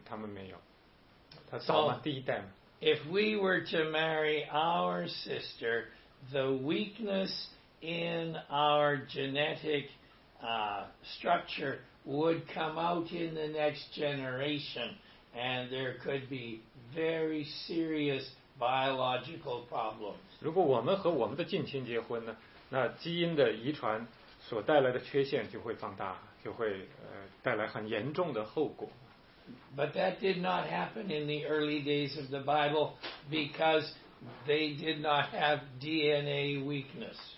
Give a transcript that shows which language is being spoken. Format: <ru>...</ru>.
<zh>所以他没有像我们有这种遗传的缺陷啊，在我们的DNA里，他们没有，他造了第一代嘛。</zh> <en>If we were to marry our sister, the weakness in our genetic structure would come out in the next generation, and there could be very serious biological problems.</en> <zh>如果我们和我们的近亲结婚呢，那基因的遗传所带来的缺陷就会放大，就会带来很严重的后果。</zh> <en>But that did not happen in the early days of the Bible because they did not have DNA weakness.</en>